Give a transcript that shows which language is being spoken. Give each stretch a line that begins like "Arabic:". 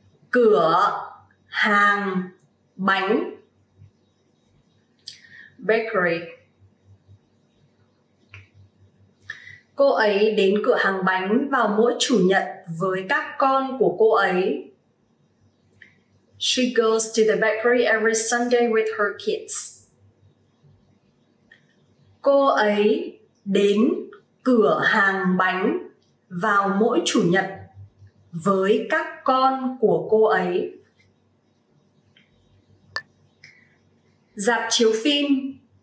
Vietnamese: Cửa hàng bánh.
English: Bakery.
Vietnamese: Cô ấy đến cửa hàng bánh vào mỗi chủ nhật với các con của cô ấy.
English: She goes to the bakery every Sunday with her kids.
Vietnamese: Cô ấy đến cửa hàng bánh vào mỗi chủ nhật với các con của cô ấy. Dạp chiếu phim.